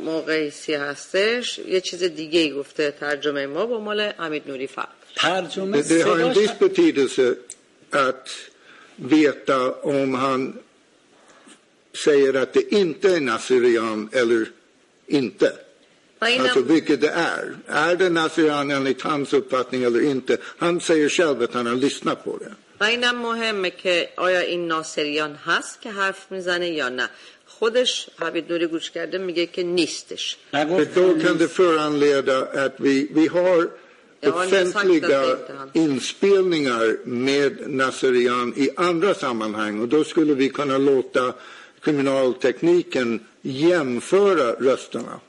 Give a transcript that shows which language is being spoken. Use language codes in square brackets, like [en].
[fa] مقیسی هستش یه چیز دیگه گفته ترجمه ما با مال حمید نوری فرق [sv] Det har en viss betydelse att veta om han säger att det inte är Nasirian eller inte. Alltså vilket det är. Är det Nasirian enligt hans uppfattning eller inte? Han säger själv att han har lyssnat på det. Det är viktigt att om det är Nasirian som har pratat eller inte. [fa] خودش حبید نوری گوش کرده میگه که نیستش. [sv] Då kan det föranleda att vi har... offentliga inspelningar med Nasirian i andra sammanhang och då skulle vi kunna låta kriminaltekniken jämföra rösterna.